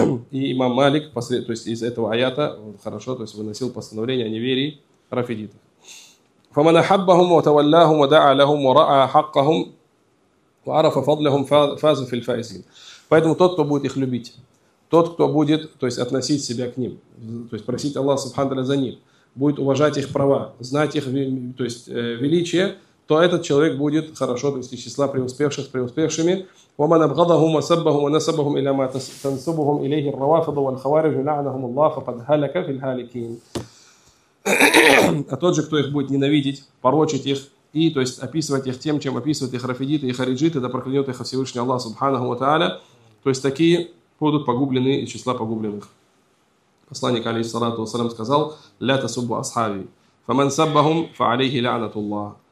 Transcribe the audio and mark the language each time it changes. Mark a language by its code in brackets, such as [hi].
[ru] И имам Малик, то есть из этого аята, он хорошо, то есть выносил постановление о неверии, [ar] فمن أحبهم وتولاهم ودعا لهم ورأى حقهم وعرف فضلهم فاز في الفائزين. [ru] Поэтому тот, кто будет их любить, тот, кто будет, то есть относить себя к ним, то есть просить Аллаха Субханаху за них, будет уважать их права, знать их, то есть величие, то этот человек будет хорошо, то есть из числа преуспевших преуспевшими. [ar] ومن أبغضهم وسبهم ونسبهم إلى ما تنسبهم إليه الروافض والخوارج لعنهم الله فقد هلك في الهالكين. [ru] А тот же, кто их будет ненавидеть, порочить их и, то есть, описывать их тем, чем описывают их рафидиты и хариджиты, да проклянет их Всевышний Аллах Субханаху ва Тааля, то есть такие будут погублены из числа погубленных. Посланник алейхиссалату вассалям сказал: [ar] «Ля тасуббу асхави, фаман саббахум фа алейхи лянатуллах».